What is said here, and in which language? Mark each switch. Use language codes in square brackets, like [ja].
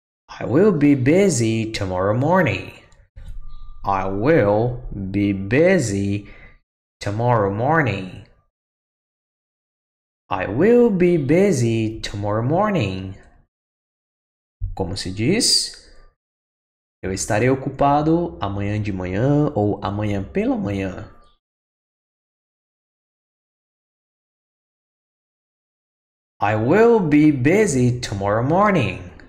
[en] I will be busy tomorrow morning. I will be busy tomorrow morning. I will be busy tomorrow morning. [pt] Como se diz? Eu estarei ocupado amanhã de manhã ou amanhã pela manhã. [en] I will be busy tomorrow morning.